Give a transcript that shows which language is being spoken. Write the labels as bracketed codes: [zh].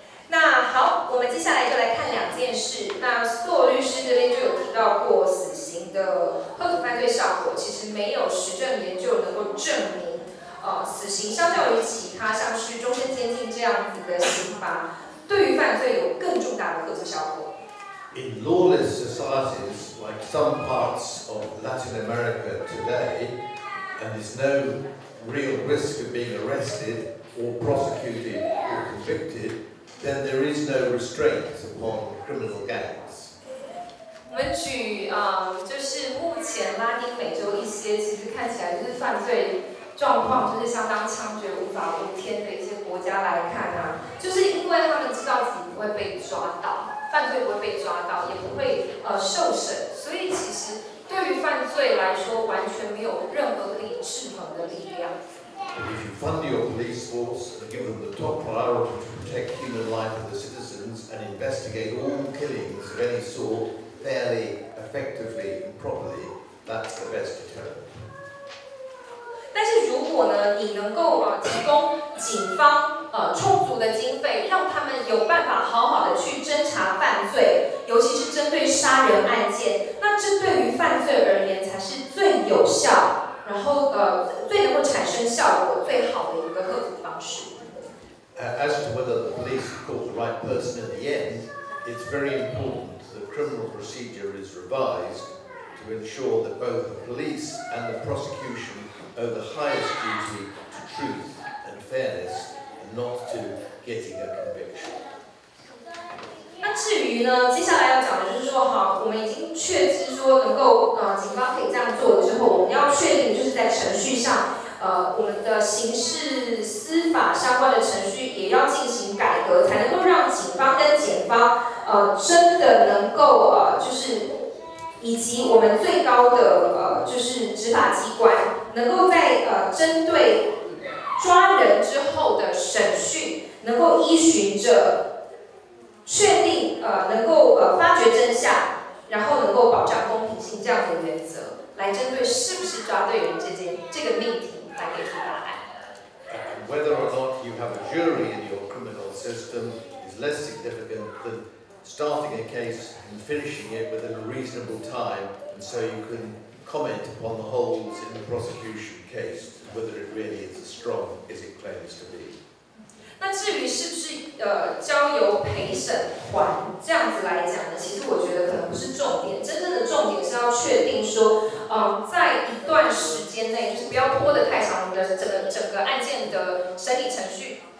[zh] 那好，我们接下来就来看两件事。那索律师这边就有提到过，死刑的喝酒犯罪效果其实没有实证研究能够证明。死刑相较于其他像是终身监禁这样子的刑罚，对于犯罪有更重大的遏制效果。 [en] In lawless societies like some parts of Latin America today, and there's no real risk of being arrested or prosecuted or convicted, then there is no restraint upon criminal gangs. [zh] 我们举就是目前拉丁美洲一些其实看起来就是犯罪。状况就是相当猖獗、无法无天的一些国家来看啊，就是因为他们知道自己不会被抓到，犯罪不会被抓到，也不会受审，所以其实对于犯罪来说，完全没有任何可以制衡的力量。 [en] But if you fund your police force and give them the top priority to protect human life of the citizens and investigate all killings of any sort fairly, effectively, and properly, that's the best deterrent. [zh] 但是如果呢，你能够提供警方充足的经费，让他们有办法好好的去侦查犯罪，尤其是针对杀人案件，那针对于犯罪而言才是最有效，然后最能够产生效果最好的一个克服方式。 [en] As to whether the police caught the right person in the end, it's very important that criminal procedure is revised to ensure that both the police and the prosecution. Owe the highest duty to truth and fairness, and not to getting a conviction. [zh] 那至于呢，接下来要讲的就是说，哈，我们已经确知说能够警方可以这样做了之后，我们要确定就是在程序上，我们的刑事司法相关的程序也要进行改革，才能够让警方跟检方，真的能够就是。以及我们最高的就是执法机关，能够在针对抓人之后的审讯，能够依循着确定能够发掘真相，然后能够保障公平性这样的原则，来针对是不是抓对人这个命题来给出答案。 [en] Whether or not you have a jury in your criminal system is less significant than. Starting a case and finishing it within a reasonable time, and so you can comment upon the holes in the prosecution case, whether it really is as strong as it claims to be. [zh] 那至于是不是交由陪审团这样子来讲呢？其实我觉得可能不是重点，真正的重点是要确定说，在一段时间内，就是不要拖得太长，你的整个案件的审理程序。